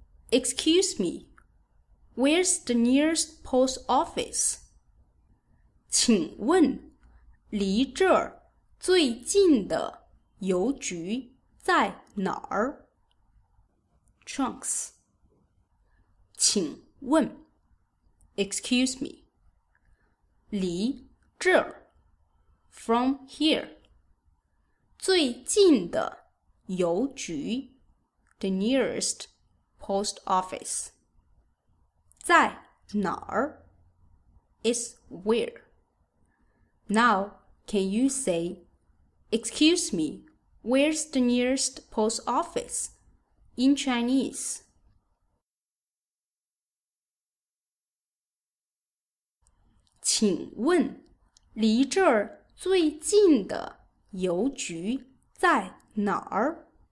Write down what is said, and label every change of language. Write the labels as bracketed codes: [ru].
[en] Excuse me, where's the nearest post office? [zh] 请问离这儿最近的邮局在哪儿? [en] Trunks. [zh] 请问 [en] Excuse me. [zh] 离这儿 [en] from here, [zh] 最近的邮局 [en] the nearest post office, [zh] 在哪儿 [en] is where. Now, can you say, excuse me, where's the nearest post office in Chinese? [zh] 请问离这儿最近的邮局在哪儿?